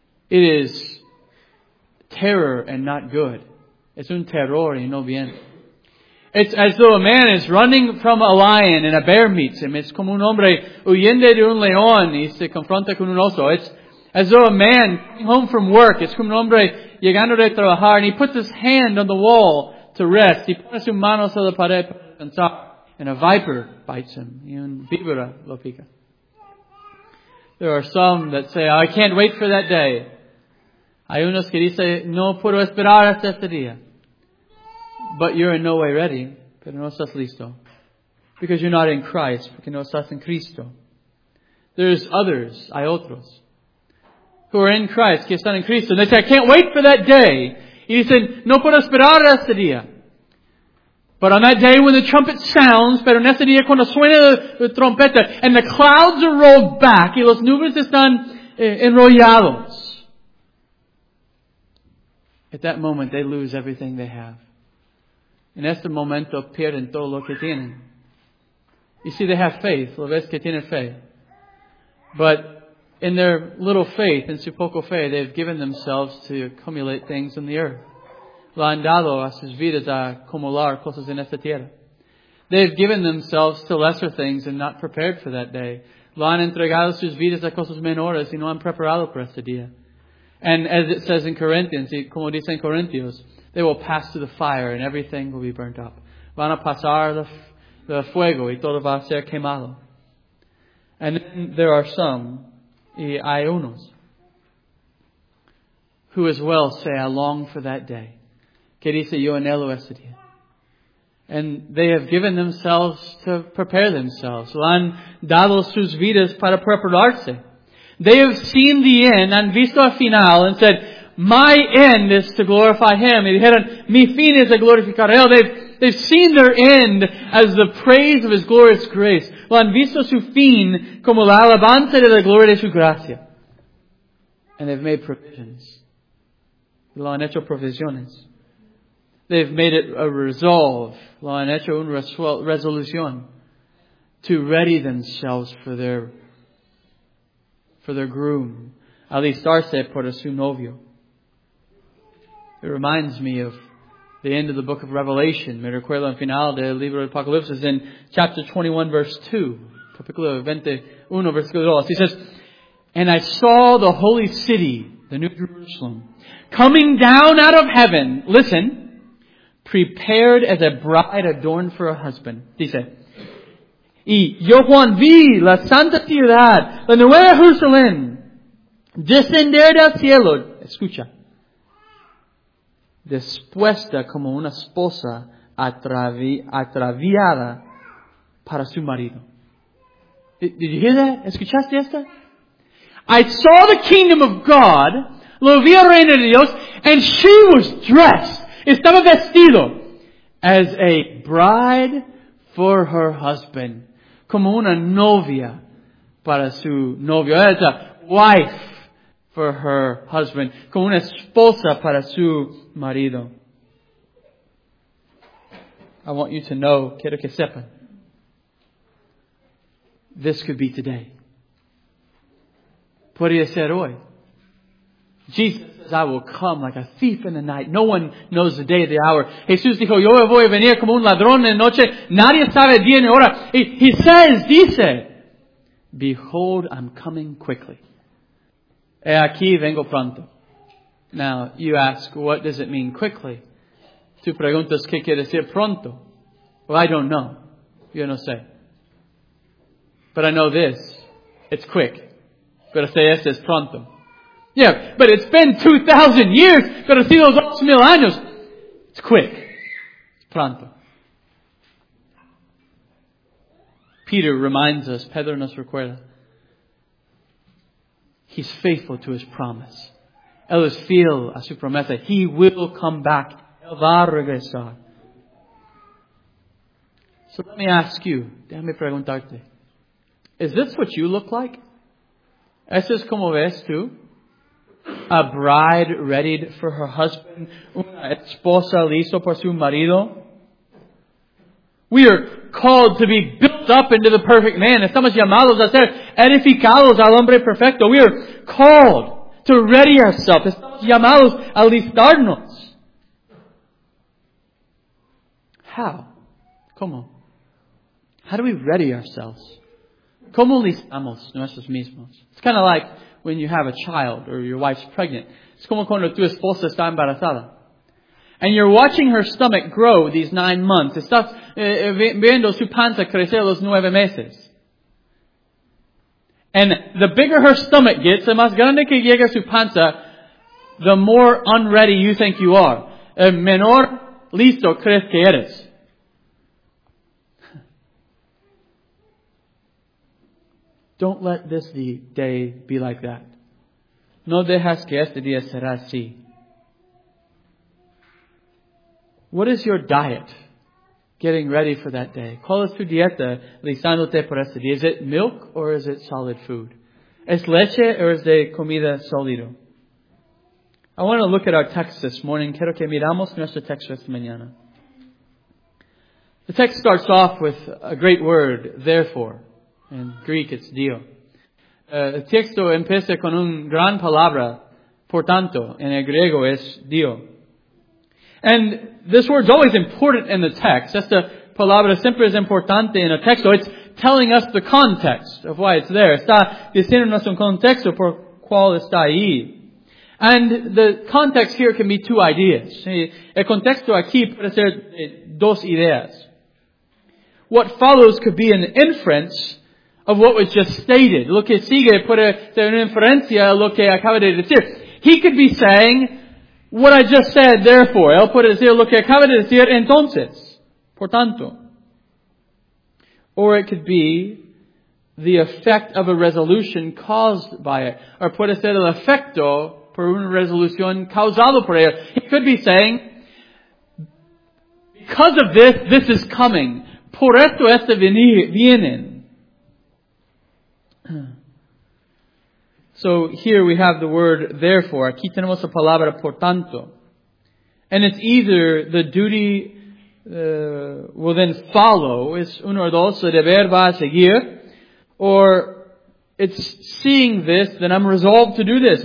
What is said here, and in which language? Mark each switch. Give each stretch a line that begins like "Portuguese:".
English: It is terror and not good.
Spanish: Es un terror y no bien.
English: It's as though a man is running from a lion and a bear meets him.
Spanish: It's como un hombre huyendo de un león y se confronta con un oso.
English: It's as though a man coming home from work. It's
Spanish: como un hombre llegando de trabajar
English: and he puts his hand on the wall to rest.
Spanish: He pone su mano sobre la pared para descansar
English: and a viper bites him.
Spanish: Y un víbora lo pica.
English: There are some that say, I can't wait for that day.
Spanish: Hay unos que dicen, no puedo esperar hasta este día.
English: But you're in no way ready,
Spanish: pero no estás listo.
English: Because you're not in Christ,
Spanish: porque no estás en Cristo.
English: There's others,
Spanish: hay otros,
English: who are in Christ,
Spanish: que están en Cristo.
English: And they say, I can't wait for that day.
Spanish: Y dicen, no puedo esperar este día.
English: But on that day when the trumpet sounds,
Spanish: pero en ese día cuando suena la trompeta,
English: and the clouds are rolled back,
Spanish: y los nubes están enrollados,
English: at that moment they lose everything they have.
Spanish: En este momento pierden todo lo que tienen.
English: You see, they have faith.
Spanish: Lo ves que tienen fe.
English: But in their little faith, in
Spanish: su poco fe,
English: they've given themselves to accumulate things in the earth.
Spanish: Lo han dado a sus vidas a acumular cosas en esta tierra.
English: They've given themselves to lesser things and not prepared for that day.
Spanish: Lo han entregado sus vidas a cosas menores y no han preparado para este día.
English: And as it says in Corinthians,
Spanish: como dice en Corintios,
English: they will pass through the fire and everything will be burnt up.
Spanish: Van a pasar el fuego y todo va a ser quemado.
English: And then there are some,
Spanish: y hay unos,
English: who as well say, I long for that day.
Spanish: Que dice, yo anhelo ese día.
English: And they have given themselves to prepare themselves.
Spanish: Han dado sus vidas para prepararse.
English: They have seen the end,
Spanish: han visto el final,
English: and said, my end is to glorify Him.
Spanish: Y dijeron, mi fin es a glorificar a Él.
English: They've seen their end as the praise of His glorious grace.
Spanish: Lo han visto su fin como la alabanza de la gloria de su gracia.
English: And they've made provisions.
Spanish: lo han hecho profesiones.
English: They've made it a resolve,
Spanish: lo han hecho una resolución,
English: to ready themselves for their groom,
Spanish: alistarse por su novio.
English: It reminds me of the end of the book of Revelation.
Spanish: Me recuerdo el final del libro de Apocalipsis
English: in chapter 21, verse 2.
Spanish: Capítulo 21, versículo 2.
English: He says, "And I saw the holy city, the New Jerusalem, coming down out of heaven." Listen. "Prepared as a bride adorned for a husband."
Spanish: Dice, "Y yo Juan vi la santa ciudad, la nueva Jerusalén, descender del cielo." Escucha. "Dispuesta como una esposa ataviada para su marido."
English: Did you hear that?
Spanish: ¿Escuchaste esto?
English: "I saw the kingdom of God,
Spanish: lo vi el reino de Dios,
English: and she was dressed,
Spanish: estaba vestido,
English: as a bride for her husband."
Spanish: Como una novia para su novio.
English: As a wife for her husband.
Spanish: Como una esposa para su marido.
English: I want you to know,
Spanish: quiero que sepan,
English: this could be today.
Spanish: Podría ser hoy.
English: Jesus says, "I will come like a thief in the night. No one knows the day or the hour."
Spanish: Jesús dijo, "Yo voy a venir como un ladrón en noche. Nadie sabe el día ni hora." He dice,
English: "Behold, I'm coming quickly.
Spanish: He aquí, vengo pronto."
English: Now, you ask, what does it mean quickly?
Spanish: Tú preguntas, ¿qué quiere decir pronto?
English: Well, I don't know.
Spanish: Yo no sé.
English: But I know this. It's quick.
Spanish: Pero sé esto es pronto.
English: Yeah, but it's been 2,000 years.
Spanish: Pero si los 2,000 años.
English: It's quick.
Spanish: It's pronto.
English: Peter reminds us,
Spanish: Pedro nos recuerda.
English: He's faithful to his promise.
Spanish: Él es fiel a su promesa.
English: He will come back.
Spanish: Él va a regresar.
English: So let me ask you.
Spanish: Déjame preguntarte.
English: Is this what you look like?
Spanish: ¿Eso es como ves tú?
English: A bride readied for her husband.
Spanish: Una esposa lista por su marido.
English: We are called to be built up into the perfect man.
Spanish: Estamos llamados a ser edificados al hombre perfecto.
English: We are called to ready ourselves.
Spanish: Estamos llamados a listarnos. How? ¿Cómo?
English: How do we ready ourselves?
Spanish: ¿Cómo listamos nosotros mismos?
English: It's kind of like when you have a child or your wife's pregnant.
Spanish: It's como cuando tu esposa está embarazada.
English: And you're watching her stomach grow these 9 months.
Spanish: Estás viendo su panza crecer los 9 meses.
English: And the bigger her stomach gets,
Spanish: el más grande que llega su panza,
English: the more unready you think you are.
Spanish: El menor listo crees que eres.
English: Don't let this day be like that.
Spanish: No dejas que este día será así.
English: What is your diet getting ready for that day?
Spanish: ¿Cuál es tu dieta listándote por este día?
English: Is it milk or is it solid food?
Spanish: ¿Es leche
English: or is it
Spanish: comida sólido?
English: I want to look at our text this morning.
Spanish: Quiero que miramos nuestro texto esta mañana.
English: The text starts off with a great word, therefore. In Greek, it's Dio.
Spanish: El texto empieza con una gran palabra, por tanto, en el griego es Dio.
English: And this word's always important in the text.
Spanish: Esta palabra siempre es importante en el texto.
English: It's telling us the context of why it's there.
Spanish: Está diciéndonos un contexto por cual está ahí.
English: And the context here can be two ideas.
Spanish: El contexto aquí puede ser dos ideas.
English: What follows could be an inference of what was just stated.
Spanish: Lo que sigue puede ser una inferencia a lo que acaba de decir.
English: He could be saying what I just said, therefore.
Spanish: Él puede decir lo que acaba de decir, entonces. Por tanto.
English: Or it could be the effect of a resolution caused by it.
Spanish: Or puede ser el efecto por una resolución causado por ella.
English: He could be saying, because of this, this is coming.
Spanish: Por esto, este vienen.
English: So here we have the word therefore.
Spanish: Aquí tenemos la palabra por tanto.
English: And it's either the duty will then follow,
Spanish: es uno o dos, el deber va a seguir,
English: or it's seeing this, then I'm resolved to do this.